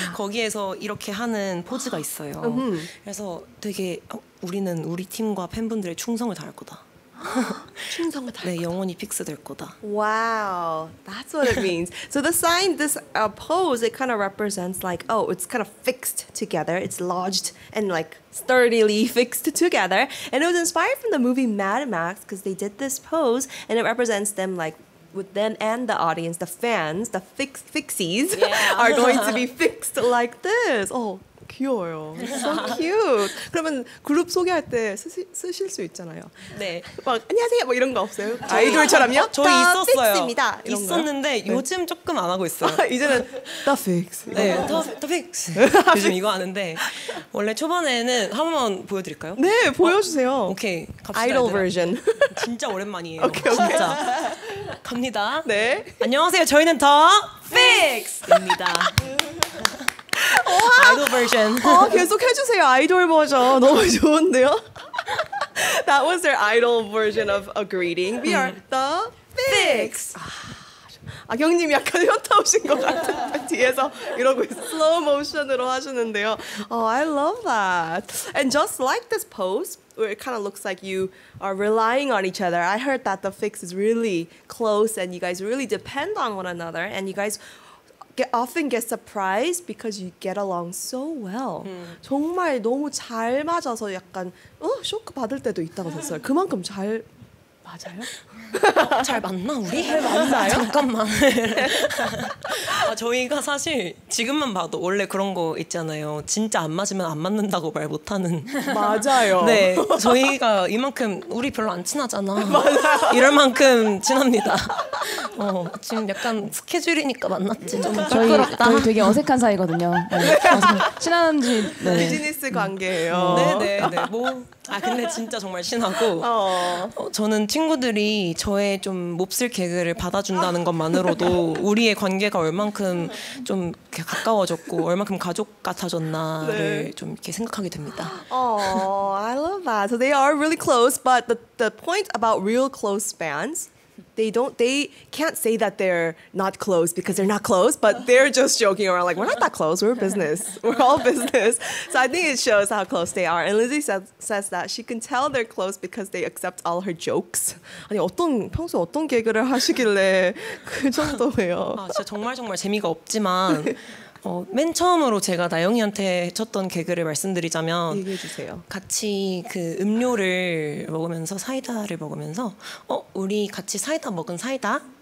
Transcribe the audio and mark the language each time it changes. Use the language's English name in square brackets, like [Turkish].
[Korean] 거기에서 이렇게 하는 포즈가 있어요. 그래서 되게 우리는 우리 팀과 팬분들의 충성을 다할 거다. 충성을 다할 거다. 내 영혼이 픽스될 거다. [English] Wow, that's what it means. So the sign, this pose, it kind of represents like, oh, it's kind of fixed together. It's lodged and like sturdily fixed together. And it was inspired from the movie Mad Max because they did this pose and it represents them like, with them and the audience, the fans, the fixies yeah. are going to be fixed like this. Oh, [Korean] 귀여워요. [English] So cute. [Korean] 그러면 그룹 소개할 때 쓰실 수 있잖아요. 네. 막 안녕하세요. 뭐 이런 거 없어요? 아이돌처럼요? 저희 있었어요. 픽스입니다. 있었는데 네. 요즘 조금 안 하고 있어요. 이제는 The Fix. 네. The Fix. 요즘 이거 하는데 원래 초반에는 한번 보여드릴까요? 네, 보여주세요. 어? 오케이. 갑시다. 아이돌 버전. 진짜 오랜만이에요. 오케이, 오케이. 진짜. 갑니다. 네. 안녕하세요. 저희는 The Fix입니다. 아이돌 버전. 아, 계속 해주세요. 아이돌 버전 너무 좋은데요. [English] That was their idol version of a greeting. We are the Fix. [Korean] 아, 경님 약간 현타 오신 것 같아요. 뒤에서 이러고 slow motion으로 하시는데요. [English] Oh, I love that. And just like this pose, where it kind of looks like you are relying on each other. I heard that the Fix is really close, and you guys really depend on one another, and you guys. often get surprised because you get along so well. [Korean] 정말 너무 잘 맞아서 약간 어 쇼크 받을 때도 있다고 들었어요. 그만큼 잘 맞아요? 잘 맞나 우리? 잘 맞나요? 잠깐만. 아, 저희가 사실 지금만 봐도 원래 그런 거 있잖아요. 진짜 안 맞으면 안 맞는다고 말 못하는. 맞아요. 네, 저희가 이만큼 우리 별로 안 친하잖아. 맞아요. 이럴 만큼 친합니다. 어, 지금 약간 스케줄이니까 만났지. 좀 부끄럽다. 저희 되게 어색한 사이거든요. 네. 친한지 네. 비즈니스 관계예요. 네네네. 뭐. 아 근데 진짜 정말 신하고 어, 저는 친구들이 저의 좀 몹쓸 개그를 받아준다는 것만으로도 우리의 관계가 얼만큼 좀 가까워졌고 얼만큼 가족 같아졌나를 네. 좀 이렇게 생각하게 됩니다. [English] Oh, I love that. So they are really close, but the point about real close fans. They can't say that they're not close because they're not close, but they're just joking around like, we're not that close, we're business. We're all business. So I think it shows how close they are. And Lizzie says that she can tell they're close because they accept all her jokes. [Korean] 아니, 평소 어떤 개그를 하시길래 그 정도예요. 아, 진짜 정말 정말 재미가 없지만 어, 맨 처음으로 제가 나영이한테 쳤던 개그를 말씀드리자면 얘기해 주세요. 같이 그 음료를 먹으면서 사이다를 먹으면서 어 우리 같이 사이다 먹은 사이다.